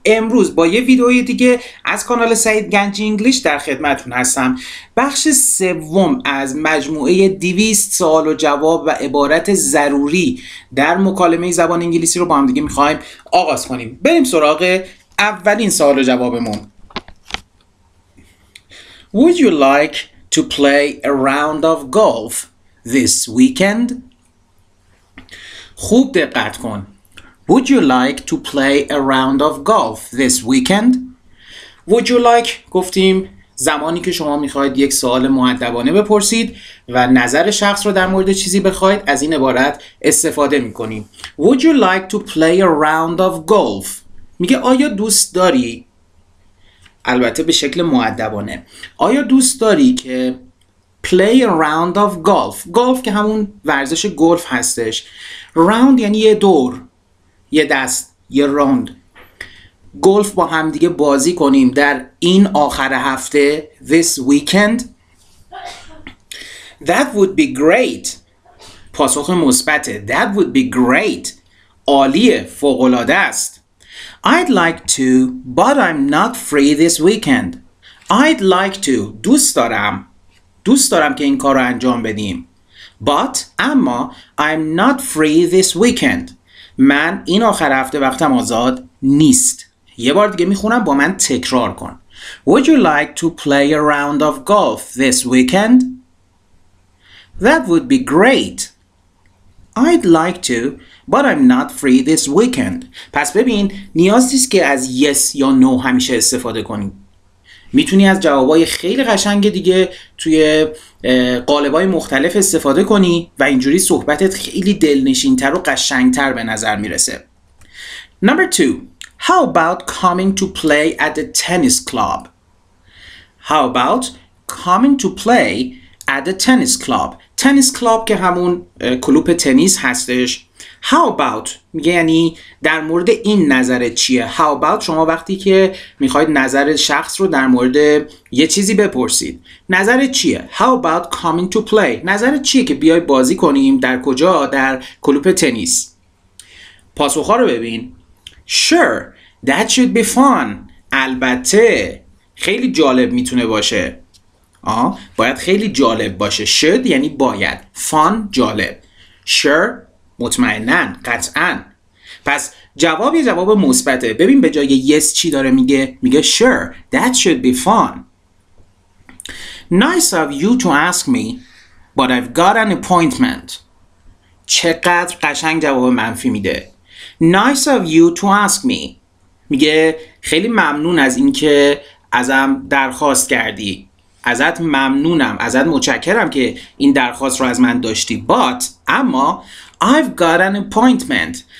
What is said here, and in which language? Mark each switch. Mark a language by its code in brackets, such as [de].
[fa] امروز با یه ویدئوی دیگه از کانال سعید گنجی انگلیش در خدمتتون هستم. بخش سوم از مجموعه 200 سوال و جواب و عبارت ضروری در مکالمه زبان انگلیسی رو با هم دیگه می‌خوایم آغاز کنیم. بریم سراغ اولین سوال و جوابمون. [en] Would you like to play a round of golf this weekend? [fa] خوب دقت کن. [en] Would you like to play a round of golf this weekend? Would you like [fa] گفتیم زمانی که شما میخواید یک سوال مؤدبانه بپرسید و نظر شخص رو در مورد چیزی بخواید، از این عبارت استفاده میکنیم. [en] Would you like to play a round of golf؟ [fa] میگه آیا دوست داری؟ البته به شکل مؤدبانه. آیا دوست داری که [en] play a round of golf؟ [fa] golf که همون ورزش گلف هستش. راوند یعنی یه دور، یه دست، یه راوند. گلف با هم دیگه بازی کنیم در این آخر هفته، [en] this weekend. That would be great. [fa] پاسخ مثبته. [en] That would be great. [fa] عالیه، فوق‌العاده است. [en] I'd like to, but I'm not free this weekend. I'd like to. [fa] دوست دارم که این کارو انجام بدیم. [en] But اما I'm not free this weekend. [fa] من این آخر هفته وقتم آزاد نیست. یه بار دیگه میخونم، با من تکرار کن. [en] Would you like to play a round of golf this weekend? That would be great. I'd like to, but I'm not free this weekend. [fa] پس ببین، نیاز نیست که از yes یا no همیشه استفاده کنی. میتونی از جوابای خیلی قشنگ دیگه توی قالبای مختلف استفاده کنی و اینجوری صحبتت خیلی دلنشین‌تر و قشنگ‌تر به نظر میرسه. [en] Number 2. How about coming to play at the tennis club? How about coming to play at the tennis club? [fa] Tennis club که همون کلوپ تنیس هستش. [en] How about [fa] یعنی در مورد این نظرت چیه؟ How about شما وقتی که میخواید نظر شخص رو در مورد یه چیزی بپرسید، نظرت چیه؟ [en] How about coming to play؟ [fa] نظرت چیه که بیای بازی کنیم؟ در کجا؟ در کلوپ تنیس. پاسخ ها رو ببین. [en] Sure, that should be fun. [fa] البته خیلی جالب میتونه باشه. باید خیلی جالب باشه. Should یعنی باید. Fun جالب. Sure مطمئنن، قطعاً. پس جواب یه جواب مثبته. ببین به جای yes چی داره میگه. [en] میگه sure, that should be fun. Nice of you to ask me, but I've got an appointment. [fa] چقدر قشنگ جواب منفی میده. [en] Nice of you to ask me. [fa] میگه خیلی ممنون از اینکه ازم درخواست کردی. ازت ممنونم، ازت متشکرم که این درخواست رو از من داشتی. [en] But اما I've got an appointment.